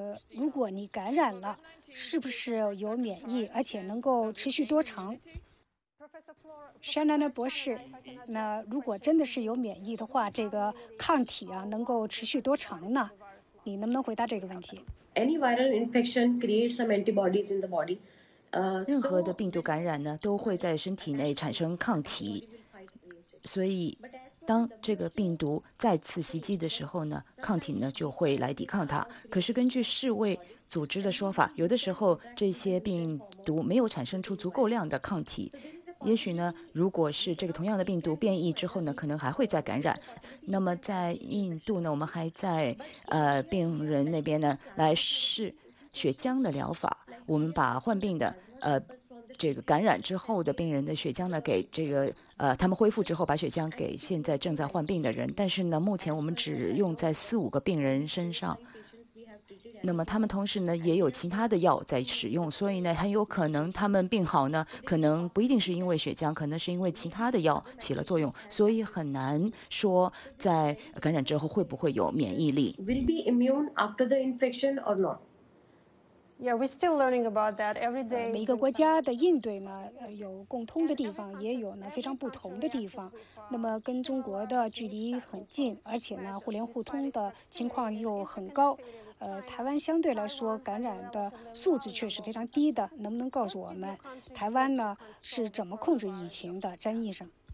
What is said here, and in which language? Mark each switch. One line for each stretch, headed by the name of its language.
Chinese: 如果你感染了，是不是有免疫，而且能够持续多长？山南的博士，那如果真的是有免疫的话，这个抗体啊能够持续多长呢？你能不能回答这个问题
English: ？Any viral infection creates some antibodies in the body.
Chinese: 任何的病毒感染呢，都会在身体内产生抗体，所以当这个病毒再次袭击的时候呢，抗体呢就会来抵抗它。可是根据世卫组织的说法，有的时候这些病毒没有产生出足够量的抗体，也许呢，如果是这个同样的病毒变异之后呢，可能还会再感染。那么在印度呢，我们还在病人那边呢来试血浆的疗法，我们把患病的这个感染之后的病人的血浆呢给这个他们恢复之后把血浆给现在正在患病的人，但是呢目前我们只用在四五个病人身上，那么他们同时呢也有其他的药在使用，所以呢很有可能他们病好呢可能不一定是因为血浆，可能是因为其他的药起了作用，所以很难说在感染之后会不会有免疫力。
English: Will be immune after the infection or not? Yeah, we're still learning about that every day.
Chinese: 每个国家的应对呢，有共通的地方，也有呢非常不同的地方。那么跟中国的距离很近，而且呢互联互通的情况又很高。台湾相对来说感染的数字确实非常低的，能不能告诉我们台湾呢是怎么控制疫情的，詹医生